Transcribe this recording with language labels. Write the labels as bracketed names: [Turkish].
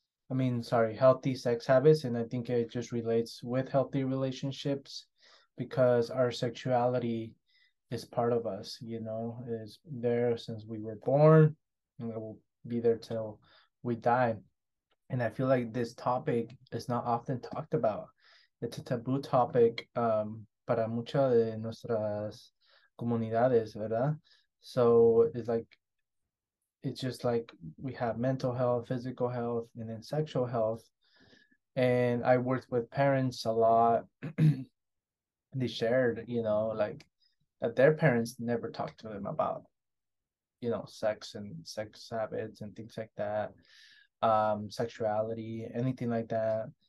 [English] I mean, sorry, healthy sex habits. And I think it just relates with healthy relationships because our sexuality is part of us, is there since we were born, and it will be there till we die. And I feel like this topic is not often talked about. It's a taboo topic. [Spanish] Para muchas de nuestras comunidades, ¿verdad? [English] So it's just like we have mental health, physical health, and then sexual health. And I worked with parents a lot. They shared, like that their parents never talked to them about, sex and sex habits and things like that, sexuality, anything like that.